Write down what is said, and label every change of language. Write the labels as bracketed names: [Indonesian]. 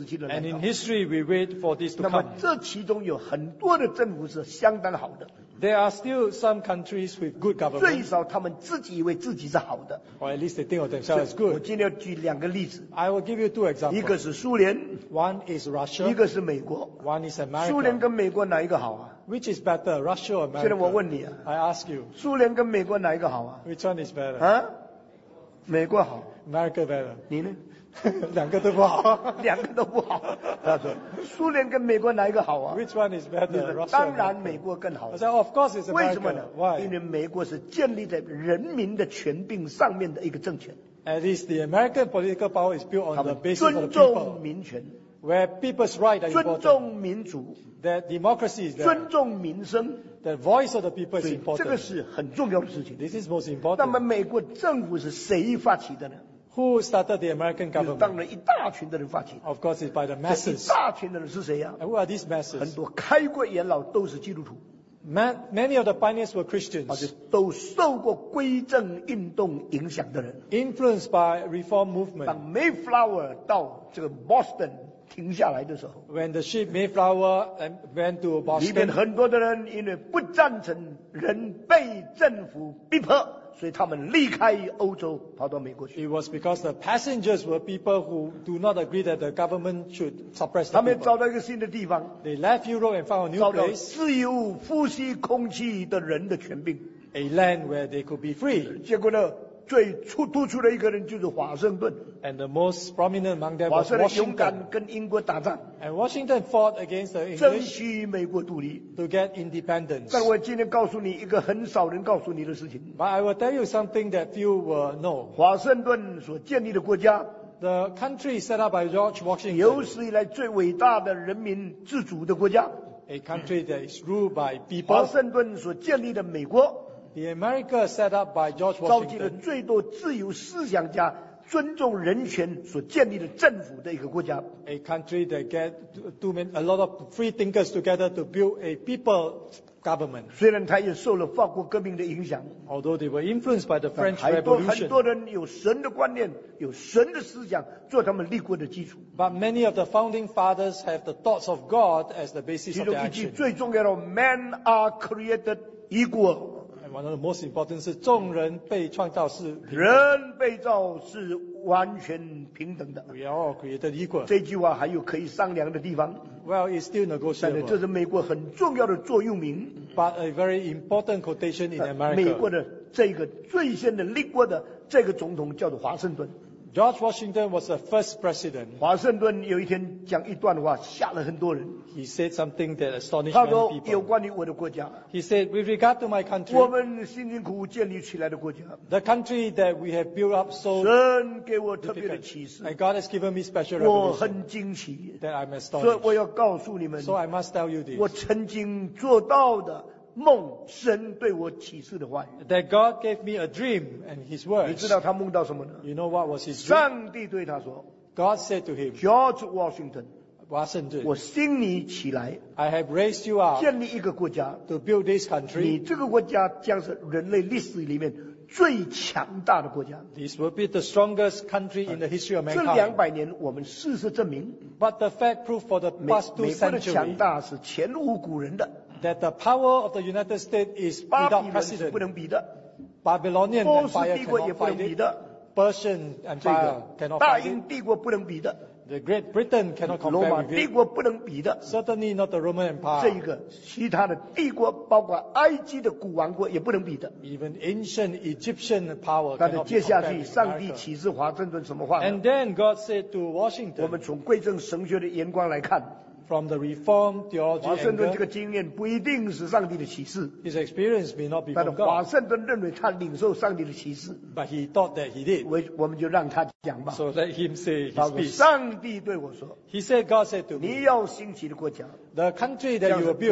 [English] And in history, we wait for this to come. [Chinese] 那么这其中有很多的政府是相当好的, [English] there are still some countries with good government. [Chinese] 最少他们自己以为自己是好的, [English] or at least they think of themselves as good. [Chinese] 我今天要举两个例子, [English] I will give you two examples. [Chinese] 一个是苏联, [English] one is Russia, [Chinese] 一个是美国, [English] one is America. [Chinese] 苏联跟美国哪一个好啊? [English] Which is better, Russia or America? [Chinese] 现在我问你啊, [English] I ask you, [Chinese] 苏联跟美国哪一个好啊? [English] Which one is better? [Chinese] 啊?美国好, [English] America better. [Chinese] 你呢? 两个都不好, 两个都不好, 他说, 苏联跟美国哪一个好啊? [English] Which one is better? [Chinese] 你说, 当然美国更好, [English] I said, of course it's America. [Chinese] 为什么呢? [English] Why? [Chinese] 因为美国是建立在人民的权柄上面的一个政权, [English] at least the American political power is built on the basis of the people, [Chinese] 尊重民权, [English] Where people's rights are important. [Chinese] 尊重民主。 [English] That democracy is there. [Chinese] 尊重民生。 [English] The voice of the people is important. [Chinese] 这个是很重要的事情。 [English] This is most important. [Chinese] 那么美国政府是谁发起的呢？ [English] Who started the American government? [Chinese] 当然一大群的人发起。 [English] Of course, it's by the masses. [Chinese] 这一大群的人是谁呀？ [English] And who are these masses? [Chinese] 很多开国元老都是基督徒。 [English] Many of the pioneers were Christians. [Chinese] 而且都受过归正运动影响的人。 [English] Influenced by reform movement. [Chinese] 当 Mayflower 到这个 Boston 停下来的时候。 [English] When the ship Mayflower went to Boston. [Chinese] 里面很多的人因为不赞成人被政府逼迫。所以他们离开欧洲跑到美国去。 [English] It was because the passengers were people who do not agree that the government should suppress [Chinese] them. 他们找到一个新的地方。 [English] They left Europe and found a new place. [Chinese] 找到自由呼吸空气的人的权柄。 [English] A land where they could be free. [Chinese] 结果呢，最突出的一个人就是华盛顿。 [English] And the most prominent among them was Washington. [Chinese] 华盛顿勇敢跟英国打仗。 [English] And Washington fought against the English. [Chinese] 争取美国独立。 [English] To get independence. [Chinese] 但我今天告诉你一个很少人告诉你的事情。 [English] But I will tell you something that few will know. [Chinese] 华盛顿所建立的国家。 [English] The country set up by George Washington. [Chinese] 有史以来最伟大的人民自主的国家。 [English] A country that is ruled by people. [Chinese] 华盛顿所建立的美国。 [English] The America set up by George Washington. [Chinese] 召集了最多自由思想家尊重人权所建立的政府的一个国家。 [English] A country that get to meet a lot of free thinkers together to build a people government. [Chinese] 虽然他也受了法国革命的影响。 [English] Although they were influenced by the French Revolution. [Chinese] 还多很多人有神的观念，有神的思想，做他们立国的基础。 [English] But many of the founding fathers have the thoughts of God as the basis of their action. [Chinese] 其中一句最重要的 ， [English] Men are created equal. One of the most important [Chinese] 是众人被创造是平等，人被造是完全平等的。 [English] We are all created equal. [Chinese] 这句话还有可以商量的地方。 [English] Well, it's still negotiable. [Chinese] 这是美国很重要的座右铭。 [English] But a very important quotation in America. [Chinese] 美国的这个最先的立国的这个总统叫做华盛顿。 [English] George Washington was the first president. [Chinese] 华盛顿有一天讲一段话，吓了很多人。 [English] He said something that astonished many people. [Chinese] 他说有关于我的国家。 [English] He said, with regard to my country. [Chinese] 我们辛辛苦苦建立起来的国家。 [English] The country that we have built up so. [Chinese] 神给我特别的启示。 [English] And God has given me special revelation. [Chinese] 我很惊奇。 [English] That I'm astonished. [Chinese] 所以我要告诉你们。 [English] So I must tell you this. [Chinese] 我曾经做到的。梦神对我启示的话语。 [English] That God gave me a dream and His words. [Chinese] 你知道他梦到什么呢 [English] ？You know what was his dream? [Chinese] 上帝对他说 [English] ，God said to him, George Washington, Washington, [Chinese] 我兴你起来 [English] ，I have raised you up, [Chinese] 建立一个国家 [English] ，to build this country. [Chinese] 你这个国家将是人类历史里面最强大的国家。 [English] This will be the strongest country in the history of mankind. [Chinese] 这两百年我们事实证明 [English] ，But the fact proved for the past two centuries, [Chinese] 美国的强大是前无古人的。 [English] That the power of the United States is without precedent. [Chinese] 不能比的。 [English] Babylonian Empire [Chinese] 帝国也不能比的。 [English] Persian Empire cannot fight it. [Chinese] 大英帝国不能比的。 [English] The Great Britain cannot compare with it. [Chinese] 罗马帝国不能比的。 [English] Certainly not the Roman Empire. [Chinese] 这一个，其他的帝国，包括埃及的古王国也不能比的。 [English] Even ancient Egyptian power cannot compare with it. [Chinese] 接下去，上帝启示华盛顿什么话呢 [English] ？And then God said to Washington. [Chinese] 我们从贵正神学的眼光来看。 [English] From the Reformed theology, [Chinese] 华盛顿这个经验不一定是上帝的启示。 [English] His experience may not be from God. [Chinese] 但是华盛顿认为他领受上帝的启示。 [English] But he thought that he did. [Chinese] 我们就让他讲吧。 [English] So let him say his piece. [Chinese] 他说：“上帝对我说。” [English] He said, "God said to me." [Chinese] 你要兴起的国家。 The country that you will build.